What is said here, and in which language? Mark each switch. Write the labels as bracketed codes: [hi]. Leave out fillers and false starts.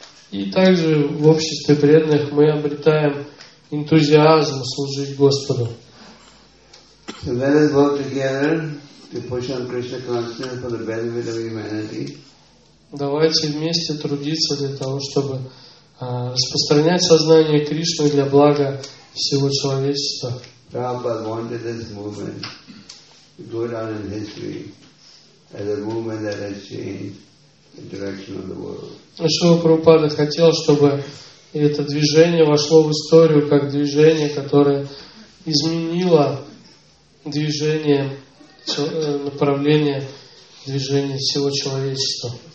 [ru] И также в обществе преданных мы обретаем энтузиазм служить Господу. [en] So let us work together to push on Krishna consciousness for the benefit of humanity. [ru] Давайте вместе трудиться для того, чтобы распространять сознание Кришны для блага всего человечества. [en] Prabhupada wanted this movement to go down in history as a movement that has changed the direction of the world. [ru] Шрила Прабхупада хотел, чтобы это движение вошло в историю как движение, которое изменило движение, направление движения всего человечества.